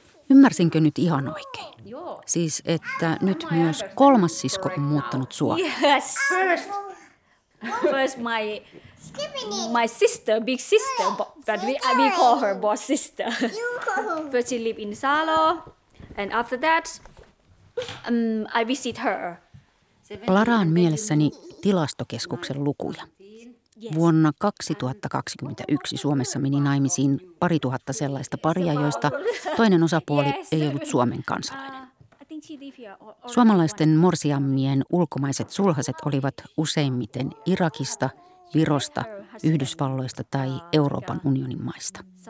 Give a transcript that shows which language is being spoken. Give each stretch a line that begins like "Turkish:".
Finnish: Ymmärsinkö nyt ihan oikein? Joo. Siis että nyt myös kolmas sisko on muuttanut Suomeen.
English: Yes. First my... My sister, big sister, but we call her boss sister. First she live in Salo, and after that, I visit her.
Finnish: Laraan mielessäni tilastokeskuksen lukuja. Vuonna 2021 Suomessa meni naimisiin 2000 sellaista paria, joista toinen osapuoli ei ollut Suomen kansalainen. Suomalaisten morsiammien ulkomaiset sulhaset olivat useimmiten Irakista, Virosta, Yhdysvalloista tai Euroopan unionin maista.